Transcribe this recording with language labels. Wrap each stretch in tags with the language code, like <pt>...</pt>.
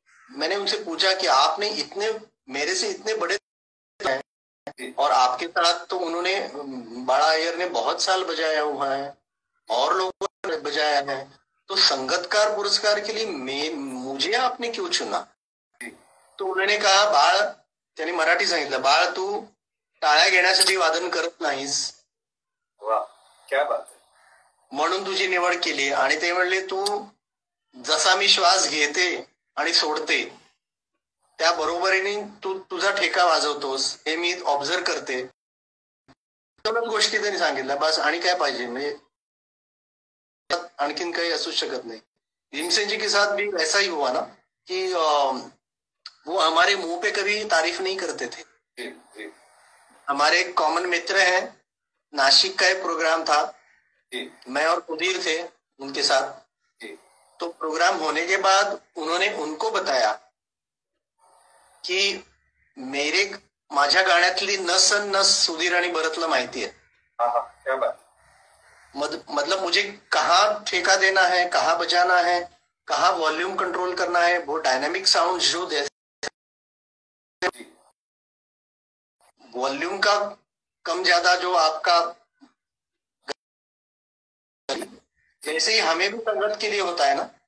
<hi>मैंने उनसे पूछा कि आपने इतने मेरे से इतने बड़े और आपके साथ तो उन्होंने बड़ा अय्यर ने बहुत साल बजाया हुआ है और लोगों ने बजाया है, तो संगतकार पुरस्कार के लिए मुझे आपने क्यों चुना। तो उन्होंने कहा,</hi> <mr>बाळ त्यांनी मराठी सांगितलं, बाळ तू टाळ्या घेण्यासाठी वादन करत नाहीस</mr> <hi>वाह क्या बात है।</hi> <mr>म्हणून तुझी निवड केली, आणि ते म्हणले तू जसा मी श्वास घेते आणि सोडते त्या बरोबरीने तू तुझा ठेका वाजवतोस हे मी ऑब्झर्व करते, गोष्टी त्यांनी सांगितल्या बस, आणि काय पाहिजे, म्हणजे आणखीन काही असूच शकत नाही।</mr> <hi>भीमसेन जी के साथ भी ऐसा ही हुआ ना कि वो हमारे मुंह पे कभी तारीफ नहीं करते थे। हमारे एक कॉमन मित्र हैं, नासिक का एक प्रोग्राम था, मैं और उदीर थे उनके साथ, तो प्रोग्राम होने के बाद उन्होंने उनको बताया कि</hi> <mr>मेरे माझ्या गाण्यातली नस अन नस सुधीर आणि भरतला माहिती आहे.</mr> <hi>क्या बात. मतलब मुझे कहाँ ठेका देना है, कहाँ बजाना है, कहाँ वॉल्यूम कंट्रोल करना है, वो डायनेमिक साउंड जो दे वॉल्यूम का कम ज्यादा जो आपका जैसे ही हमें भी संगत के लिए होता है ना,</hi>